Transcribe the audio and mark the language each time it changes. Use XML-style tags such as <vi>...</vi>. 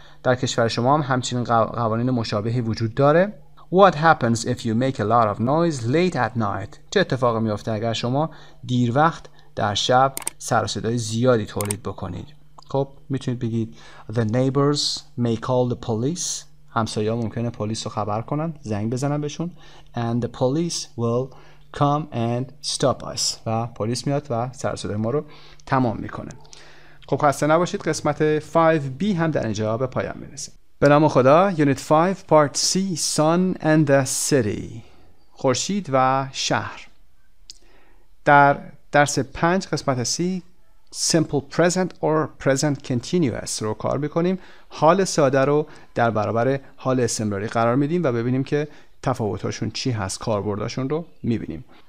<fa>در کشور شما هم همچنین قوانین مشابهی وجود داره؟</fa> <en>What happens if you make a lot of noise late at night؟</en> <fa>چه اتفاقی میفته اگر شما دیر وقت در شب سر و صدای زیادی تولید بکنید؟ خب میتونید بگید</fa> <en>The neighbors may call the police.</en> <fa>همسایه‌ها ممکنه پلیس رو خبر کنن، زنگ بزنن بهشون.</fa> <en>And the police will come and stop us.</en> <fa>و پلیس میاد و سر و صدای ما رو تمام میکنه. خب خسته نباشید، قسمت 5B هم در اینجا به پایان میرسه. به نام خدا.</fa> <en>Unit 5 Part C Sun and the City،</en> <fa>خورشید و شهر. در درس 5 قسمت C</fa> <en>Simple Present or Present Continuous</en> <fa>رو کار بکنیم، حال ساده رو در برابر حال استمراری قرار میدیم و ببینیم که تفاوتاشون چی هست، کاربرداشون رو میبینیم.</fa>